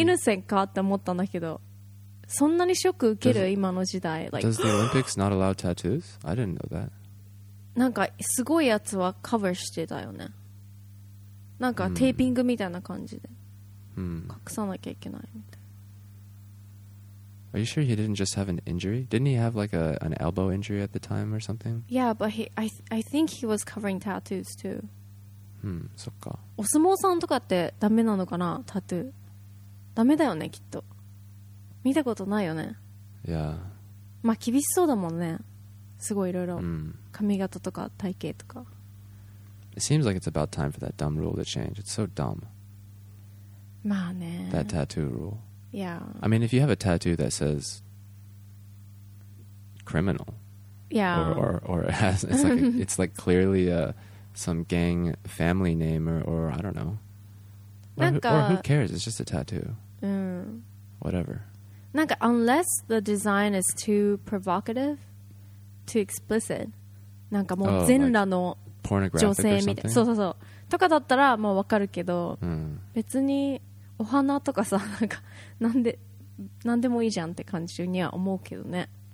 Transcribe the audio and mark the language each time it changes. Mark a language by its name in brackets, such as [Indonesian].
[Japanese] イノセンかって思ったんだけど、そんなにショック受ける今の時代。 [English] Like, does the Olympics not allow tattoos? I didn't know that. [Japanese] なんかすごいやつはカバーしてたよね。なんかテーピングみたいな感じで、隠さなきゃいけないみたいな。 [English] Are you sure he didn't just have an injury? Didn't he have like an elbow injury at the time or something? Yeah, but I think he was covering tattoos too. [Japanese] そっか。お相撲さんとかってダメなのかな、タトゥー。ダメだよね、きっと。見たことないよね。 [English] Yeah. [Japanese] まあ厳しそうだもんね。すごいいろいろ。髪型とか体型とか。 [English] It seems like it's about time for that dumb rule to change. It's so dumb. [Japanese] まあね。 [English] That tattoo rule. Yeah. I mean, if you have a tattoo that says criminal, yeah, or it has, it's like it's like clearly some gang family name or I don't know. Or who cares? It's just a tattoo. Whatever. Like unless the design is too provocative, too explicit. Like, [Japanese] もう全裸の女性みたい、そうそうそう、とかだったらもうわかるけど、別に。お花とかさ、なんか、なんで、なんでもいいじゃんって感じには思うけどね。